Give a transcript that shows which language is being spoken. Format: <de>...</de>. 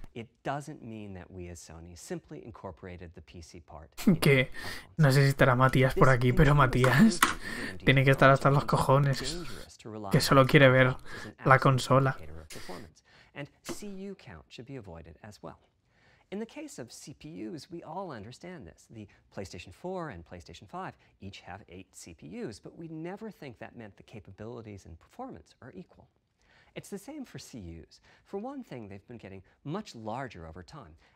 <en>It doesn't mean that we as Sony simply incorporated the PC part.</en> <es>Que no sé si estará Matías por aquí, pero Matías tiene que estar hasta los cojones, que solo quiere ver la consola.</es> <en>And CU count should be avoided as well. In the case of CPUs, we all understand this. The PlayStation 4 and PlayStation 5 each have 8 CPUs, but we never think that meant the capabilities and performance are equal. It's the same for CUs. For one thing, they've been getting much larger over time.</en>